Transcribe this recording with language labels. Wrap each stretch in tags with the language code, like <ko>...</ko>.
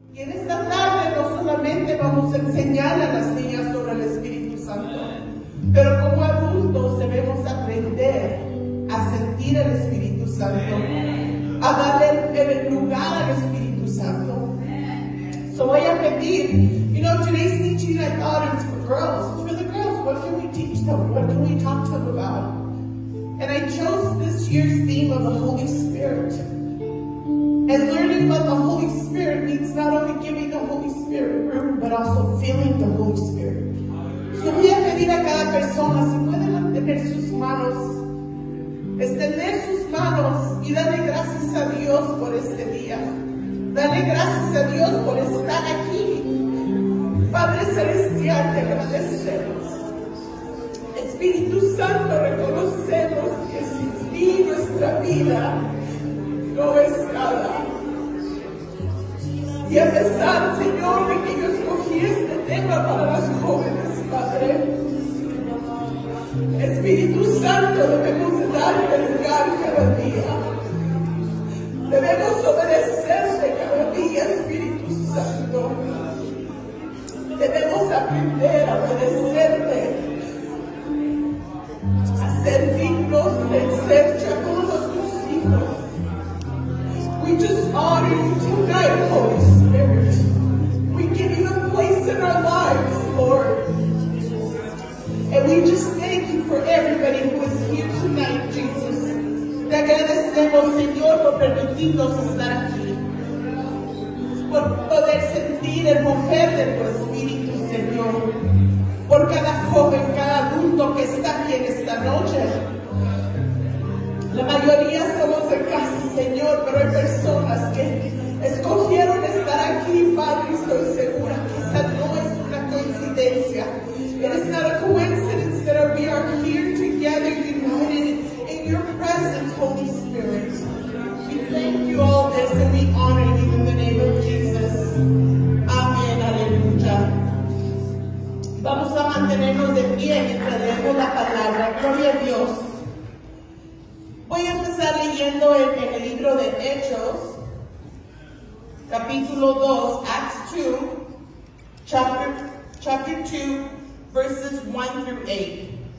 <es>Y en esta tarde no solamente vamos a enseñar a las niñas sobre el Espíritu Santo, pero como adultos debemos aprender a sentir el Espíritu Santo, a darle el lugar al Espíritu Santo.</es> <en>So</en> <es>voy a pedir,</es> <en>you know, today's teaching I thought it's for girls. It's for the girls. What can we teach them? What can we talk to them about? And I chose this year's theme of the Holy Spirit. And learning about the Holy Spirit means not only giving the Holy Spirit room, but also feeling the Holy Spirit.</en> <es>So voy a pedir a cada persona, si pueden mantener sus manos, extender sus manos y darle gracias a Dios por este día. Dale gracias a Dios por estar aquí. Padre Celestial, te agradecemos. Espíritu Santo, reconocemos que sin ti nuestra vida no es nada. Y a pesar, Señor, de que yo escogí este tema para las jóvenes, Padre, Espíritu Santo, debemos darte lugar cada día. Debemos obedecerte cada día, Espíritu Santo. Debemos aprender a obedecerte, a ser dignos de ser llamados a tus hijos.</es> <en>We just honor you tonight, Holy Spirit. We give you a place in our lives, Lord. And we just thank you for everybody who is here tonight, Jesus.</en> <es>Te agradecemos, Señor, por permitirnos estar aquí. Por poder sentir el mover de tu Espíritu, Señor. Por cada joven, cada adulto que está aquí en esta noche. La mayoría somos de casa, Señor, pero hay personas que escogieron estar aquí, Padre, y estoy segura que esa no es una coincidencia.</es> <en>It is not a coincidence that we are here together, united in your presence, Holy Spirit. We thank you all this and we honor you in the name of Jesus.</en> <es>Amen, aleluya. Vamos a mantenernos de pie y traemos la palabra. Gloria a Dios. Voy a empezar leyendo en el libro de Hechos, capítulo 2,</es> <en>Acts 2, chapter 2, verses 1 through 8.</en>